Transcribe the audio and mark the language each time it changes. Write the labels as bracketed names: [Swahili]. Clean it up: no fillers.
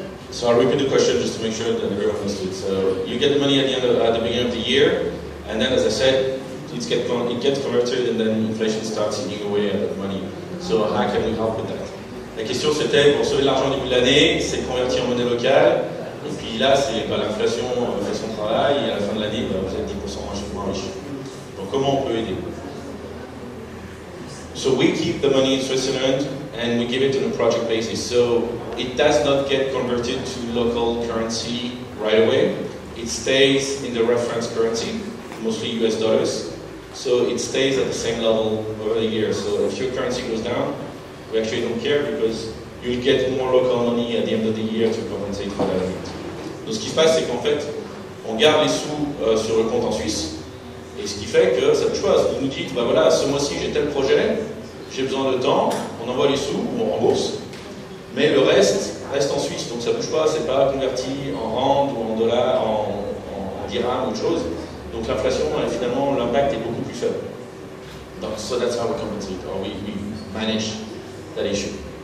[English] So I'll repeat the question just to make sure that everyone understood. So you get the money at the beginning of the year, and then, as I said, it gets converted, and then inflation starts eating away at the money. So how can we help with that? [French] La question c'était, pour sauver l'argent au début de l'année, c'est converti en monnaie locale, et puis là, c'est pas l'inflation fait son travail, et à la fin de l'année, bah, vous êtes 10% moins riche. Donc comment on peut aider? [English] So we keep the money in Switzerland, and we give it on a project basis. So it does not get converted to local currency right away. It stays in the reference currency, mostly US dollars. So it stays at the same level over the year. So if your currency goes down, we actually don't care because you'll get more local money at the end of the year to compensate for that. [French] Donc ce qui se passe, c'est qu'en fait, on garde les sous sur le compte en Suisse. Et ce qui fait que cette chose, vous nous dites, bah voilà, ce mois-ci j'ai tel projet, j'ai besoin de temps, on envoie les sous, on rembourse. Mais le reste en Suisse, donc ça bouge pas, c'est pas converti en rand ou en dollars, en dirham ou autre chose. Donc l'inflation, finalement, l'impact est beaucoup plus faible. [English] Donc, so that's how we compensate, or we manage that issue.